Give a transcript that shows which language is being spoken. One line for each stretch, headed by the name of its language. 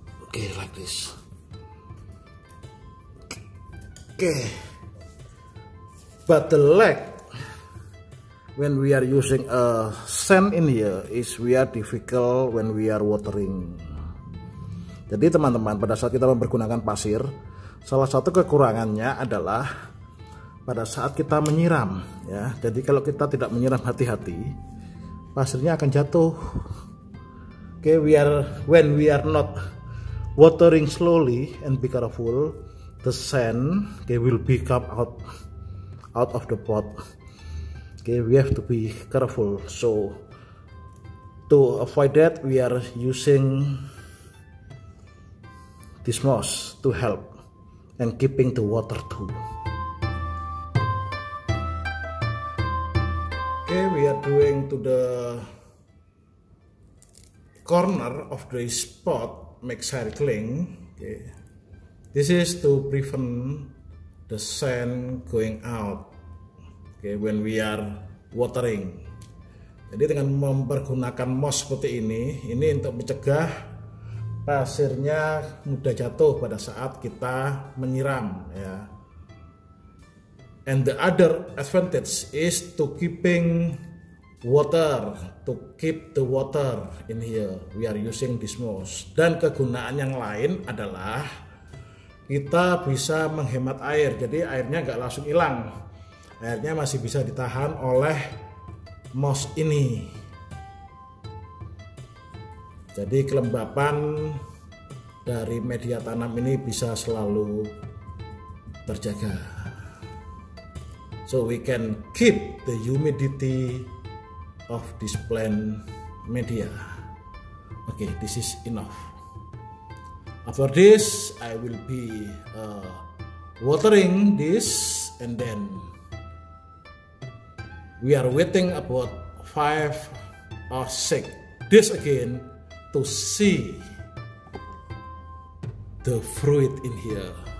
English: Okay, like this. Okay. But the lag when we are using a sand in here is we are difficult when we are watering.
Indonesian: Jadi teman-teman, pada saat kita mempergunakan pasir, salah satu kekurangannya adalah pada saat kita menyiram, ya. Jadi kalau kita tidak menyiram hati-hati, pasirnya akan jatuh.
English: Okay, when we are not watering slowly and be careful, the sand will become out of the pot. Okay, we have to be careful. So to avoid that, we are using this moss to help and keeping the water too. Okay, we are doing to the corner of this pot, make circling. Okay, this is to prevent the sand going out. Okay, when we are watering.
Indonesian: Jadi dengan mempergunakan moss seperti ini untuk mencegah pasirnya mudah jatuh pada saat kita menyiram, ya.
English: And the other advantage is to keeping water, to keep the water in here. We are using this moss.
Indonesian: Dan kegunaan yang lain adalah kita bisa menghemat air. Jadi airnya enggak langsung hilang. Airnya masih bisa ditahan oleh moss ini. Jadi kelembapan dari media tanam ini bisa selalu terjaga.
English: So we can keep the humidity of this plant media. Okay, this is enough. After this, I will be watering this, and then we are waiting about 5 or 6 days again to see the fruit in here.